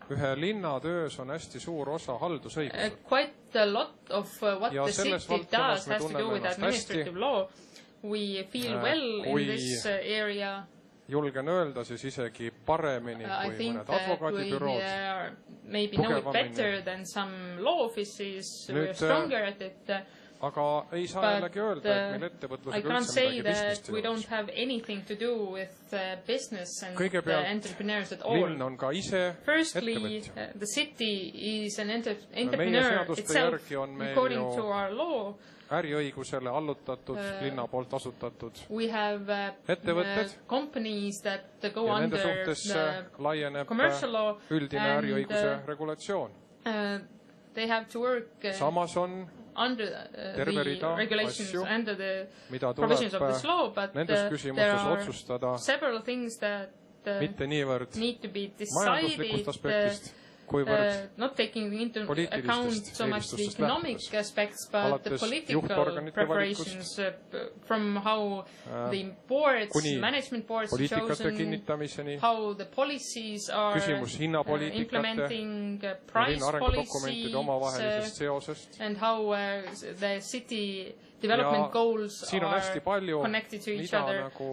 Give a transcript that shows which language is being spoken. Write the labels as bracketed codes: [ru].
[et] Ühe linnatöös on hästi suur osa haldusõigus. [en] Quite a lot of what the city does has to do with administrative law. We feel well in this area. [et] Julgen öelda siis isegi paremini kui mõned advokaatibüroot. [en] Maybe know it better than some law offices. We're stronger at it. [et] Aga ei saa jällegi öelda, et meil ettevõtlusega üldse midagi business teha. [en] I can't say that we don't have anything to do with business and entrepreneurs at all. [et] Linn on ka ise ettevõtja. [en] Firstly, the city is an entrepreneur itself, according to our law. [et] Äriõigusele allutatud, linna poolt asutatud [en] ettevõtted. Companies that go under the commercial law. [et] Üldine äriõiguse regulatsioon. [en] They have to work... [et] Samas on... [en] Under the regulations, under the provisions of this law, but there are several things that need to be decided, not taking into account so much the economic aspects, but the political preparations from how the boards, management boards are chosen, how the policies are implementing price policies, and how the city development goals are connected to each other.